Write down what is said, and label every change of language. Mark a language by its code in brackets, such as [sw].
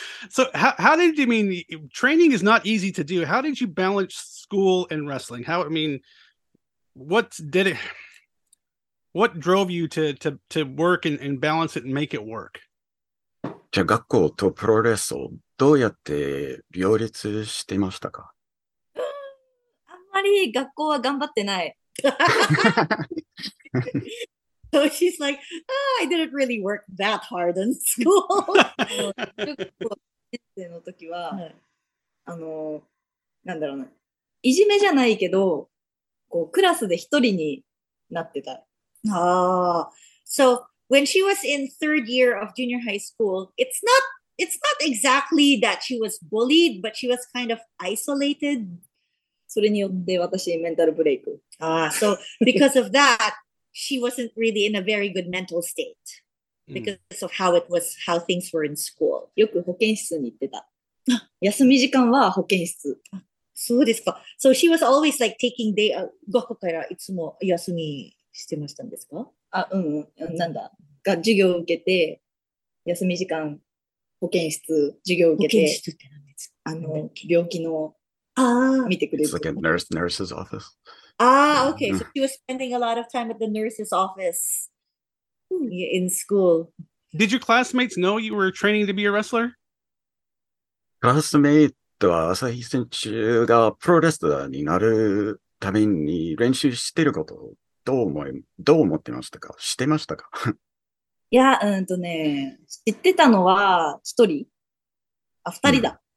[en] So how did you mean training is not easy to do? How did you balance school and wrestling? How I mean, what did it? What drove you to work and balance it and make it work? [ja] じゃあ学校とプロレスをどうやって両立してましたか？あんまり学校は頑張ってない。 [en] So she's like,、oh, I didn't really work that hard in school. [ja] 中学校1年生の時は、なんだろうな、いじめじゃないけど、こうクラスで一人になってた。 [en] ああ、so when she was in third year of junior high school, it's not exactly that she was bullied, but she was kind of isolated. [ja] それによって私メンタルブレイク。 [en] ああ、so because of that, she wasn't really in a very good mental state because of how things were in school. [ja] よく保健室に行ってた。休み時間は保健室。そうですか。 [en] So she was always like taking day, [ja] 学校からいつも休みしてましたんですか？あ、うん、なんだ。が、授業を受けて、休み時間、保健室、授業を受けて。保健室って何ですか？あの、病気の、ああ、見てくれる。 [en] It's like a nurse's office. Ah, okay. So she was spending a lot of time at the nurse's office in school. Did your classmates know you were training to be a wrestler? Classmate. [ja] は朝日選手がプロレスラーになるために練習していることをどう思ってましたか？してましたか？いや、ね、知ってたのは一人、あ、二人だ。